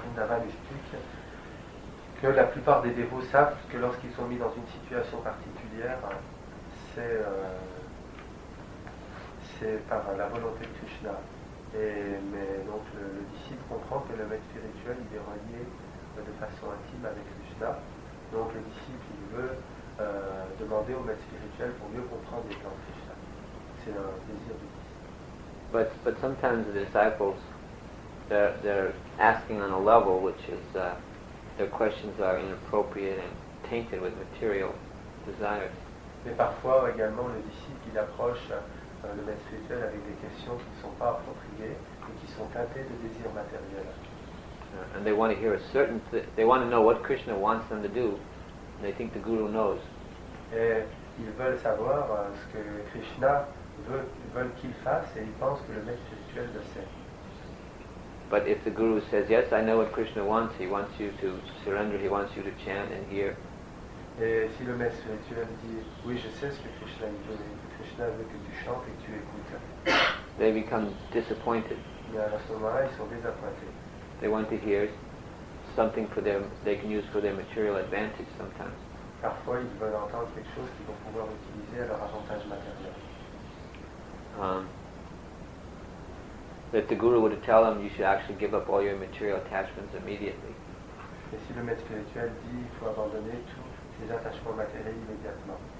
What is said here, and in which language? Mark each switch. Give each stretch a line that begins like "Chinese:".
French: Donc, Mathura Vrindavan explique que la plupart des dévots savent que lorsqu'ils sont mis dans une situation particulière, c'est par la volonté de Krishna. Mais donc le disciple comprend que le maître spirituel il est relié de façon intime avec Krishna. Donc le disciple il veut demander au maître spirituel pour mieux comprendre les plans de Krishna. C'est un désir du disciple.
English: But sometimes the disciples they're asking on a level which is their questions are inappropriate and tainted with material desires.
French: Mais parfois également le disciple il approche le maître spirituel avec des questions qui ne sont pas appropriées et qui sont teintées de désirs matériels.
English: And they want to hear a certain they want to know what Krishna wants them to do. They think the guru knows.
French: Et ils veulent savoir ce que Krishna veut qu'il fasse, et ils pensent que le maître spirituel le sait.
English: But if the guru says yes, I know what Krishna wants. He wants you to surrender. He wants you to chant and hear.
French: Et si le maître spirituel dit oui, je sais ce que Krishna veut. Krishna veut que tu chantes et que tu écoutes.
English: They become disappointed.
French: Et à ce moment-là, ils sont désappointés.
English: They want to hear something for them they can use for their material advantage sometimes.
French: parfois ils veulent entendre quelque chose qu'ils vont pouvoir utiliser à leur avantage matériel.
English: That the guru would tell them you should actually give up all your material attachments immediately.
French: Et si le maître spirituel dit qu'il faut abandonner tous les attachements matériels immédiatement.